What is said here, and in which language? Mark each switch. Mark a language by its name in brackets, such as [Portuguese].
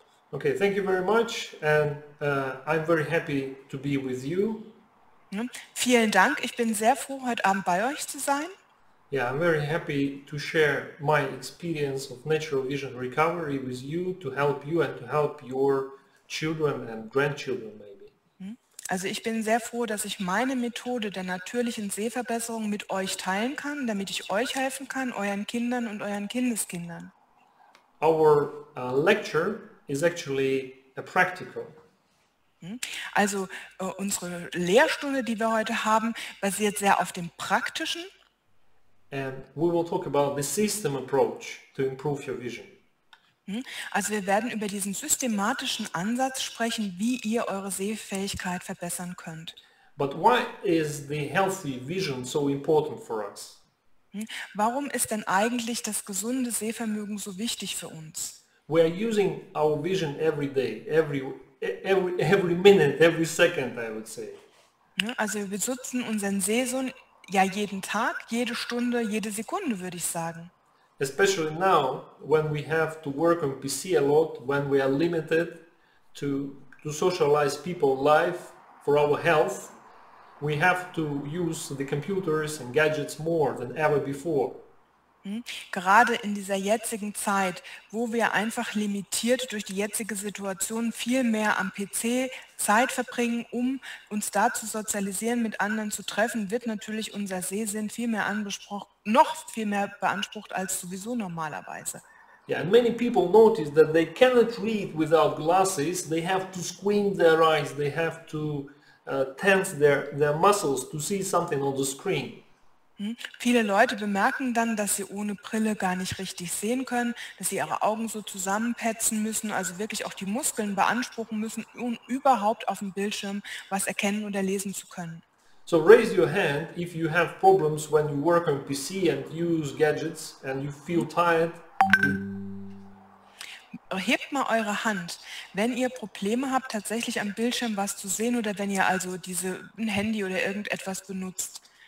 [English] Okay, thank you very much, and I'm very happy to be with you. [German] Vielen Dank. Ich bin sehr froh, heute Abend bei euch zu sein. [English] Yeah, I'm very happy to share my experience of natural vision recovery with you to help you and to help your children and grandchildren maybe. [German] Also ich bin sehr froh, dass ich meine Methode der natürlichen Sehverbesserung mit euch teilen kann, damit ich euch helfen kann, euren Kindern und euren Kindeskindern. [English] Our lecture is actually a practical. [German] Also unsere Lehrstunde, die wir heute haben, basiert sehr auf dem Praktischen. [English] And we will talk about the system approach to improve your vision. [German] Also wir werden über diesen systematischen Ansatz sprechen, wie ihr eure Sehfähigkeit verbessern könnt. [English] But why is the healthy vision so important for us? [German] Warum ist denn eigentlich das gesunde Sehvermögen so wichtig für uns? [English] We are using our vision every day, every minute, every second, I would say. [German] Also wir benutzen unseren Sehsinn ja jeden Tag, jede Stunde, jede Sekunde, würde ich sagen. [English] Especially now, when we have to work on PC a lot, when we are limited to socialize people life for our health, we have to use the computers and gadgets more than ever before. [German] Gerade in dieser jetzigen Zeit, wo wir einfach limitiert durch die jetzige Situation viel mehr am PC Zeit verbringen, um uns da zu sozialisieren, mit anderen zu treffen, wird natürlich unser Sehsinn viel mehr beansprucht als sowieso normalerweise. [English] Yeah, and many people notice that they cannot read without glasses. They have to squint their eyes. They have to tense their muscles to see something on the screen. [German] Viele Leute bemerken dann, dass sie ohne Brille gar nicht richtig sehen können, dass sie ihre Augen so zusammenpetzen müssen, also wirklich auch die Muskeln beanspruchen müssen, um überhaupt auf dem Bildschirm was erkennen oder lesen zu können. [English] So raise your hand if you have problems when you work on PC and use gadgets and you feel tired. [German] Hebt mal eure Hand, wenn ihr Probleme habt, tatsächlich am Bildschirm was zu sehen oder wenn ihr also ein Handy oder irgendetwas benutzt.